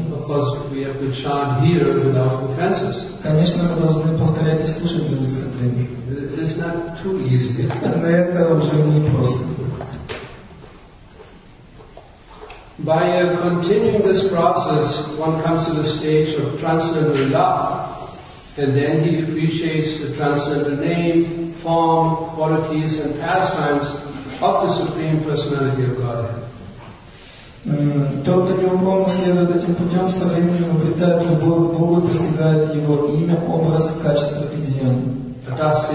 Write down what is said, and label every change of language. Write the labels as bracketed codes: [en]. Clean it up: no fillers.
[en] Because we have to chant here without offenses. [ru] Конечно, мы должны повторять и слушать без оскорблений. [en] It's not too easy. [ru] Но это уже не просто. [en] By continuing this process, one comes to the stage of transcendental love, and then he appreciates the transcendental name, form, qualities, and pastimes of the Supreme Personality of Godhead. [ru] Тот, кто неуклонно следует этим путем, со временем обретает любовь к Богу и постигает Его имя, образ, качество и